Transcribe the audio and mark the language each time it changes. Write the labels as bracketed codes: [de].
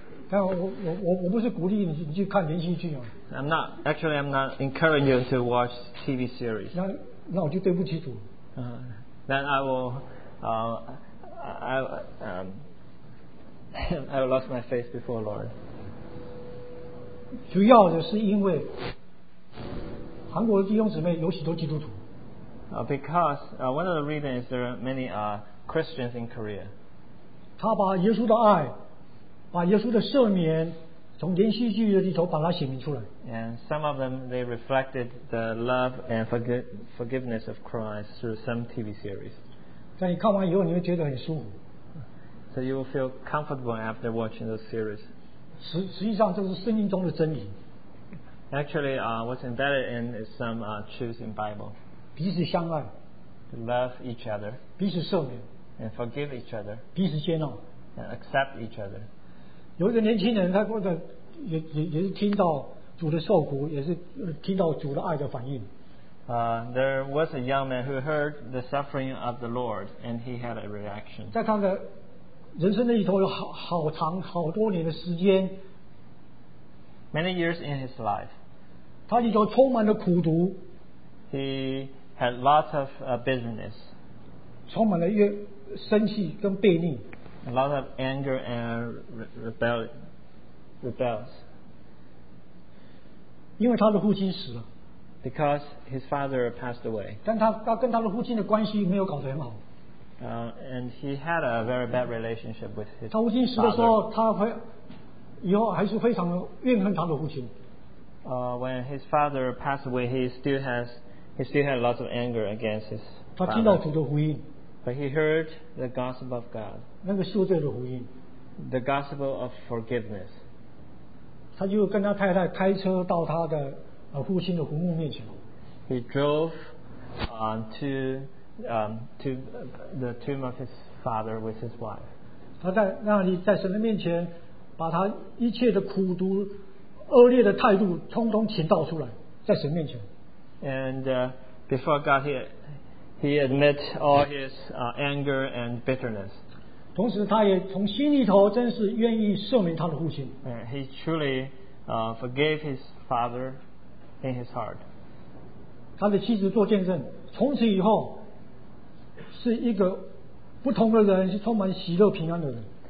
[zh] 但我不是鼓励你去看连续剧啊。 [en] I'm not encouraging you to watch TV series. [zh] 那我就对不起主。 [en] Then I will, I will lost my face before Lord. [zh] 主要的是因为韩国的弟兄姊妹有许多基督徒。 [en] Because one of the reasons is there are many Christians in Korea. [zh] 他把耶稣的爱，把耶稣的赦免，从连续剧的里头把它显明出来。 [en] And some of them they reflected the love and forgiveness of Christ through some TV series. [zh] 在你看完以后，你会觉得很舒服。 [en] So you will feel comfortable after watching those series. [zh] 实际上这是圣经中的真理。 [en] Actually, what's embedded in is some truth in Bible. [zh] 彼此相爱。 [en] To love each other. [zh] 彼此赦免。 [en] And forgive each other. [zh] 彼此接纳。 [en] And accept each other. [zh] 有一个年轻人，他或者也是听到主的受苦，也是听到主的爱的反应。 [en] There was a young man who heard the suffering of the Lord, and he had a reaction. [zh] 在他的人生那里头有 好长好多年的时间 [en] many years in his life [zh] 他里头充满了苦读 [en] he had lots of bitterness [zh] 充满了生气跟悖逆 [en] a lot of anger and rebels [zh] 因为他的父亲死了 [en] because his father passed away [zh] 但 他跟他的父亲的关系没有搞得很好 [en] And he had a very bad relationship with his father. [zh] 他父亲死的时候，他会以后还是非常怨恨他的父亲。 [en] When his father passed away, he still had lots of anger against his father. [zh] 他听到主的福音。 [en] But he heard the gospel of God. [zh] 那个赦罪的福音。 [en] The gospel of forgiveness. [zh] 他就跟他太太开车到他的父亲的坟墓面前。 [en] He drove on to. To the tomb of his father with his wife. [zh] 他在那里在神的面前，把他一切的苦读、恶劣的态度，通通倾倒出来，在神面前。 [en] And before God, he admits all his anger and bitterness. [zh] 同时，他也从心里头真是愿意赦免他的父亲。 [en] And he truly forgave his father in his heart. [zh] 他的妻子做见证，从此以后。是一个不同的人，是充满喜乐平安的人。